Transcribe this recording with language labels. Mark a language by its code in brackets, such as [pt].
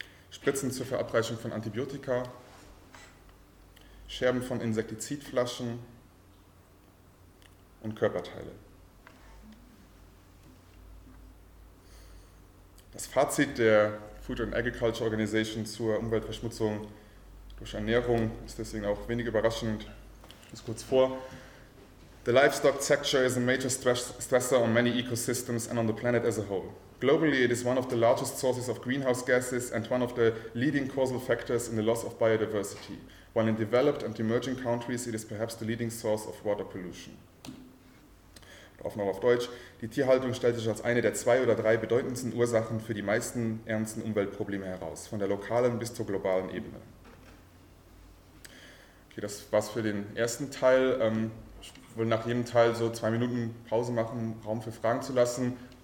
[de] Spritzen zur Verabreichung von Antibiotika. Scherben von Insektizidflaschen. Und Körperteile. Das Fazit der Food and Agriculture Organization zur Umweltverschmutzung durch Ernährung ist deswegen auch wenig überraschend. Ich lese kurz vor. [en] The livestock sector is a major stressor on many ecosystems and on the planet as a whole. Globally, it is one of the largest sources of greenhouse gases and one of the leading causal factors in the loss of biodiversity. While in developed and emerging countries, it is perhaps the leading source of water pollution. [de] Aufnahme auf Deutsch. Die Tierhaltung stellt sich als eine der zwei oder drei bedeutendsten Ursachen für die meisten ernsten Umweltprobleme heraus, von der lokalen bis zur globalen Ebene. Okay, das war's für den ersten Teil. Ich will nach jedem Teil so 2 Minuten Pause machen, Raum für Fragen zu lassen.